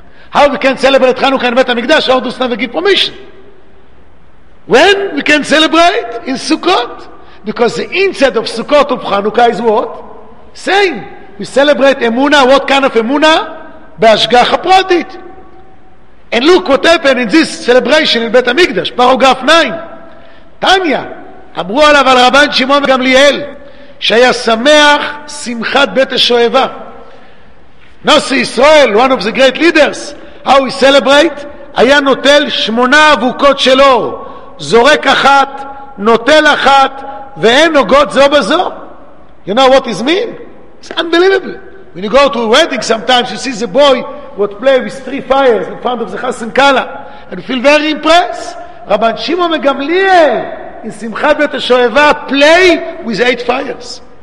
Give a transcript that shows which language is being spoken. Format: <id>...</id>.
<en>How we can celebrate Chanukah in Beit HaMikdash? Hordus never give permission. When we can celebrate? In Sukkot. Because the inside of Sukkot of Chanukah is what? Same. We celebrate Emunah. What kind of Emunah? Be'Ashgacha Pratit. And look what happened in this celebration in Beit HaMikdash. Paragraph 9.</en> <he>תניה, אמרו עליו על רבן שמעון וגמליאל, שהיה שמח שמחת בית השואבה. נוסי ישראל,</he> <en>one of the great leaders, how he celebrate,</en> <he>היה נוטל 8 אבוקות של אור, זורק אחת, נוטל אחת, ואין נוגעות זו בזו.</he> <en>You know what it means? It's unbelievable. When you go to a wedding, sometimes you see the boy would play with 3 fires in front of the Hasan Kala, and you feel very impressed. רבן שמעון מגמליאל, in שמחת בית השואבה, play with 8 fires.</en>